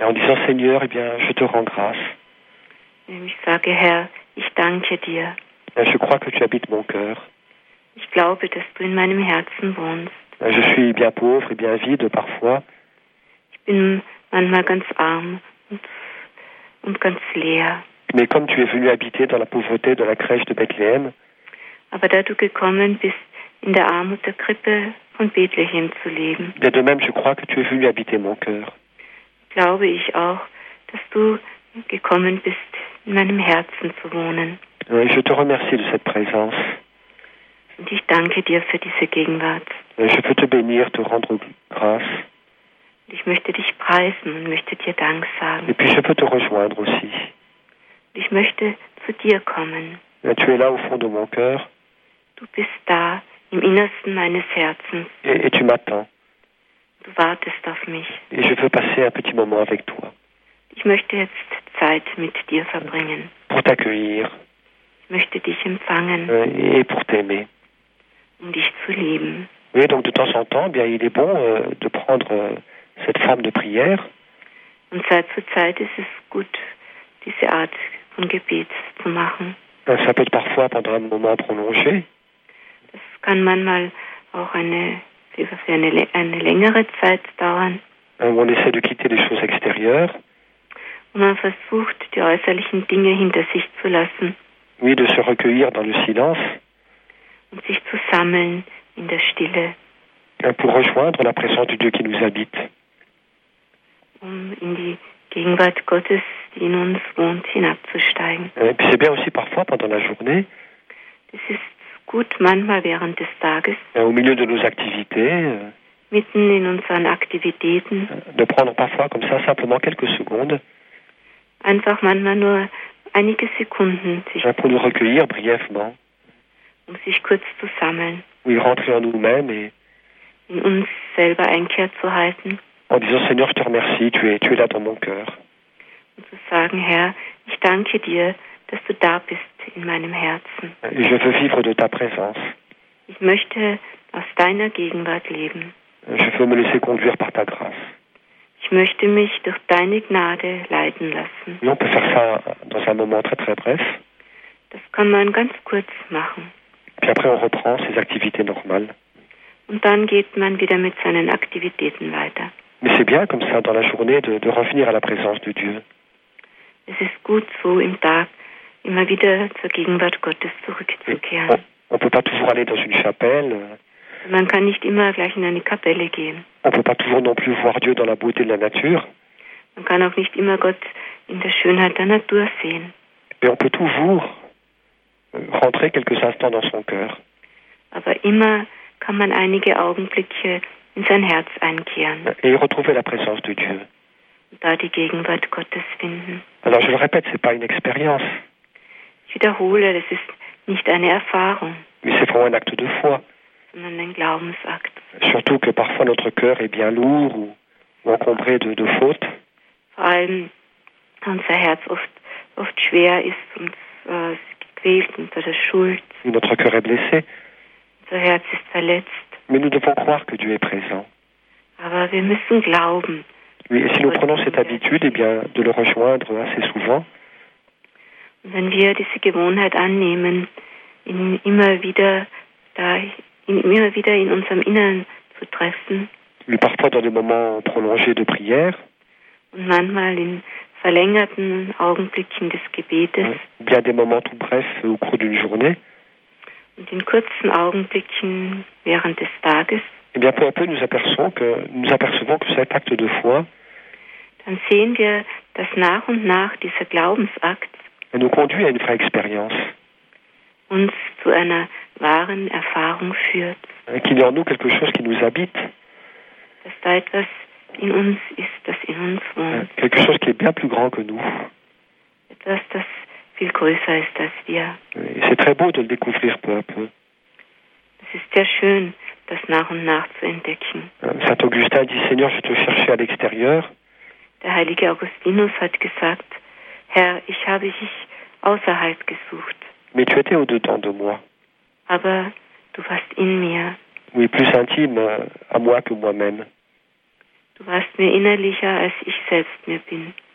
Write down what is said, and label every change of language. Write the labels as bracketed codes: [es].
[fr] Et en disant, Seigneur, eh bien, je te rends grâce. [de] Ich sage, Herr, ich danke dir. [fr] Je crois que tu habites mon cœur. [de] Ich glaube, dass du in meinem Herzen wohnst. [fr] Je suis bien pauvre et bien vide parfois. [de] Ich bin manchmal ganz arm und ganz leer. [fr] Mais comme tu es venu habiter dans la pauvreté de la crèche de Bethléem. [de] Aber da du gekommen bist, in der Armut der Krippe von Bethlehem zu leben. [fr] Et de même, je crois que tu es venu habiter mon cœur. [de] Glaube ich auch, dass du gekommen bist, in meinem Herzen zu wohnen. [fr] Et je te remercie de cette présence. [de] Und ich danke dir für diese Gegenwart. [fr] Je peux te bénir, te rendre grâce. [de] Ich möchte dich preisen und möchte dir Dank sagen. [fr] Et puis je peux te rejoindre aussi. [de] Ich möchte zu dir kommen. [fr] Et tu es là au fond de mon cœur. [de] Du bist da im Innersten meines Herzens. [fr] Et tu m'attends. [de] Du wartest auf mich. [fr] Et je veux passer un petit moment avec toi. [de] Ich möchte jetzt Zeit mit dir verbringen. [fr] Pour t'accueillir. [de] Ich möchte dich empfangen. [fr] Et pour t'aimer. [de] Um dich zu lieben. [fr] Oui, donc de temps en temps, bien, il est bon de prendre cette femme de prière. [de] Und Zeit zu Zeit ist es gut, diese Art von Gebet zu machen. [fr] Ça peut être parfois pendant un moment prolongé. [de] Das kann manchmal auch eine längere Zeit dauern. [fr] On essaie de quitter les choses extérieures. [de] Und man versucht, die äußerlichen Dinge hinter sich zu lassen. [fr] Oui, de se recueillir dans le silence. [de] Und sich zu sammeln in der Stille. [fr] Pour rejoindre la présence de Dieu qui nous habite. [de] Um in die Gegenwart Gottes, die in uns wohnt, hinabzusteigen. [fr] Et puis c'est bien aussi parfois pendant la journée. [de] Das ist gut manchmal während des Tages. [fr] Au milieu de nos activités. [de] Mitten in unseren Aktivitäten. [fr] De prendre parfois comme ça simplement quelques secondes. [de] Einfach manchmal nur einige Sekunden. [fr] Pour nous recueillir brièvement. [de] Um sich kurz zu sammeln. [fr] Oui, rentrer en nous-mêmes et [de] in uns selber Einkehr zu halten. [fr] En disant, Seigneur, je te remercie, tu es là dans mon cœur. [de] Und zu sagen, Herr, ich danke dir, dass du da bist in meinem Herzen. [fr] Je veux vivre de ta présence. [de] Ich möchte aus deiner Gegenwart leben. [fr] Je veux me laisser conduire par ta grâce. [de] Ich möchte mich durch deine Gnade leiten lassen. [fr] Oui, on peut faire ça dans un moment très très bref. [de] Das kann man ganz kurz machen. [fr] Puis après, on reprend ses activités normales. [de] Und dann geht man wieder mit seinen Aktivitäten weiter. [fr] Mais c'est bien comme ça dans la journée de revenir à la présence de Dieu. [de] Es ist gut so im Tag immer wieder zur Gegenwart Gottes zurückzukehren. [fr] On peut pas toujours aller dans une chapelle. [de] Man kann nicht immer gleich in eine Kapelle gehen. [fr] On peut pas toujours non plus voir Dieu dans la beauté de la nature. [de] Man kann auch nicht immer Gott in der Schönheit der Natur sehen. [fr] Mais on peut toujours rentrer quelques instants dans son cœur. [de] Aber immer kann man einige Augenblicke in sein Herz einkehren. [fr] Et retrouver la présence de Dieu. [de] Da die Gegenwart Gottes finden. [fr] Alors je le répète, c'est pas une expérience. [de] Ich wiederhole, das ist nicht eine Erfahrung. [fr] Mais c'est vraiment un acte de foi. [de] Sondern ein Glaubensakt. [fr] Surtout que parfois notre cœur est bien lourd ou encombré de fautes. [de] Vor allem unser Herz oft schwer ist und gequält unter der Schuld. [fr] Notre cœur est blessé. [de] Unser Herz ist verletzt. [fr] Mais nous devons croire que Dieu est présent. [de] Aber wir müssen glauben. [fr] Oui, et si nous prenons cette habitude, eh bien, de le rejoindre assez souvent. [de] Und wenn wir diese Gewohnheit annehmen, ihn immer wieder in unserem Inneren zu treffen. [fr] Mais parfois dans des moments prolongés de prière. [de] Und manchmal in verlängerten Augenblicken des Gebetes. [fr] Bien des moments tout brefs au cours d'une journée. [de] Und in kurzen Augenblicken während des Tages. [fr] Eh bien, peu à peu, nous apercevons que cet acte de foi. [de] Dann sehen wir, dass nach und nach dieser Glaubensakt. [fr] Nous conduit à une vraie expérience. [de] Uns zu einer wahren Erfahrung führt. [fr] Qu'il y a en nous quelque chose qui nous habite. [de] Dass da etwas in uns ist, das in uns wohnt. [fr] Quelque chose qui est bien plus grand que nous. [de] Etwas, das viel größer ist als wir. [fr] Et c'est très beau de le découvrir peu à peu. [de] Es ist sehr schön, das nach und nach zu entdecken. [fr] Saint Augustin dit, Seigneur, je te cherchais à l'extérieur. [de] Der heilige Augustinus hat gesagt, Herr, ich habe dich außerhalb gesucht. [fr] Mais tu étais au-dedans de moi. [de] Aber du warst in mir. [fr] Oui, plus intime à moi que moi-même. [de] Du warst mir innerlicher, als ich selbst mir bin.